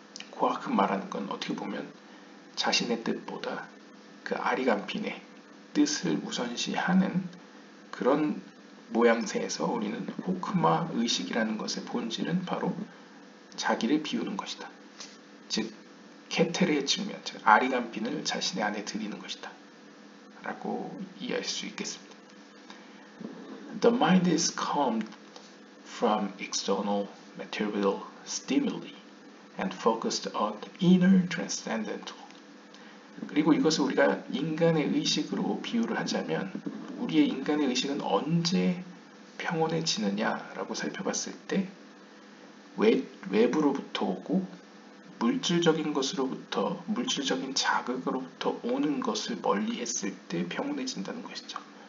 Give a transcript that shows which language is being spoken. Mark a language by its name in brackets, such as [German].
[Korean] 코아크 말하는 건 어떻게 보면 자신의 뜻보다 그 아리감핀의 뜻을 우선시하는 그런 모양새에서 우리는 호크마 의식이라는 것의 본질은 바로 자기를 비우는 것이다. 즉 케테르의 측면, 즉 아리감핀을 자신의 안에 들이는 것이다 라고 이해할 수 있겠습니다. [English] The mind is calmed from external material stimuli and focused on inner transcendental. [Korean] 그리고 이것을 우리가 인간의 의식으로 비유를 하자면 우리의 인간의 의식은 언제 평온해지느냐라고 살펴봤을 때 외부로부터 오고 물질적인 것으로부터 물질적인 자극으로부터 오는 것을 멀리했을 때 평온해진다는 것이죠.